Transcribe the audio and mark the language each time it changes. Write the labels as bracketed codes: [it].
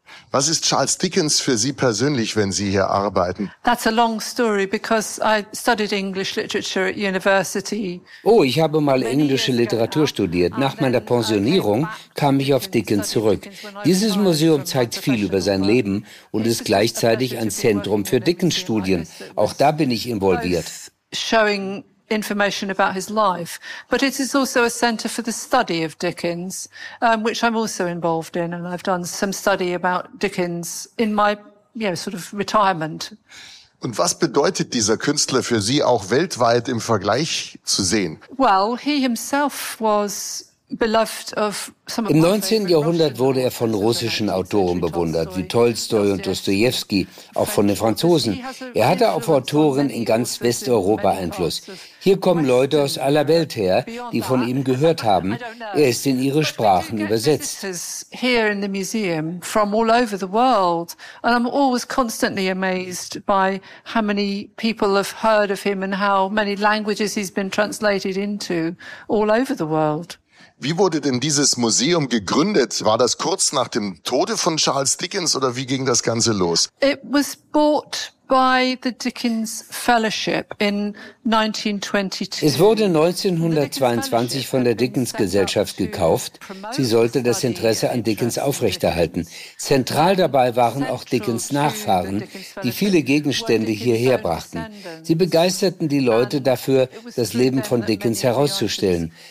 [de] Was ist Charles Dickens für Sie persönlich, wenn Sie hier arbeiten? [en] That's a long story because I studied English literature at university. [de] Oh, ich habe mal englische Literatur studiert. Nach meiner Pensionierung kam ich auf Dickens zurück. Dieses Museum zeigt viel über sein Leben und ist gleichzeitig ein Zentrum für Dickens-Studien. Auch da bin ich involviert. [en] Showing information about his life, but it is also a center for the study of Dickens, which I'm also involved in, and I've done some study about Dickens in my, you know, sort of retirement. [de] Und was bedeutet dieser Künstler für Sie auch weltweit im Vergleich zu sehen? [en] Well, he himself was beloved of some. [de] Im 19. Jahrhundert wurde er von russischen Autoren bewundert, wie Tolstoi und Dostojewski, auch von den Franzosen. Er hatte auf Autoren in ganz Westeuropa Einfluss. Hier kommen Leute aus aller Welt her, die von ihm gehört haben. Er ist in ihre Sprachen übersetzt. [en] Here in the museum from all over the world, and I'm always constantly amazed by how many people have heard of him and how many languages he's been translated into all over the world. [de] Wie wurde denn dieses Museum gegründet? War das kurz nach dem Tode von Charles Dickens oder wie ging das Ganze los? [en] It was bought by the Dickens Fellowship in 1922. [de] Es wurde 1922 von der Dickens-Gesellschaft gekauft. Sie sollte das Interesse an Dickens aufrechterhalten. Zentral dabei waren auch Dickens-Nachfahren, die viele Gegenstände hierher brachten. Sie begeisterten die Leute dafür, das Leben von Dickens herauszustellen.